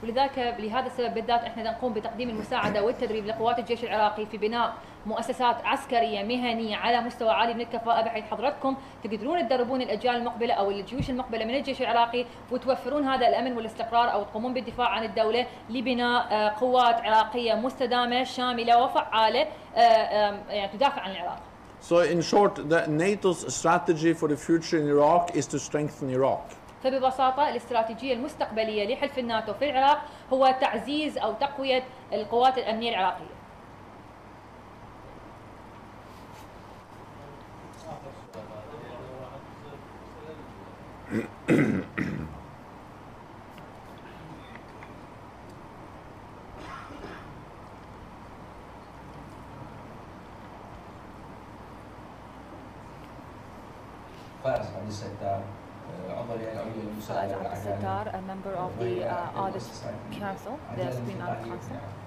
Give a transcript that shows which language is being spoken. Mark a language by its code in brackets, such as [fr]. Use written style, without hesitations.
[ar] ولذلك لهذا السبب بالذات احنا نقوم بتقديم المساعده والتدريب لقوات الجيش العراقي في بناء مؤسسات عسكريه مهنيه على مستوى عالي من الكفاءه بحيث حضراتكم تقدرون تدربون الاجيال المقبله او الجيوش المقبله من الجيش العراقي وتوفرون هذا الامن والاستقرار او تقومون بالدفاع عن الدوله لبناء قوات عراقيه مستدامه شامله وفعاله يعني تدافع عن العراق. [en] So in short, the NATO's strategy for the future in Iraq is to strengthen Iraq. [ar] فببساطة الاستراتيجية المستقبلية لحلف الناتو في العراق هو تعزيز أو تقوية القوات الأمنية العراقية. فارس عبد الستار عضو الهيئة العليا للمساعدة العربية. [en] فارس عبد الستار a member of the Audit Council, the Supreme Audit Council.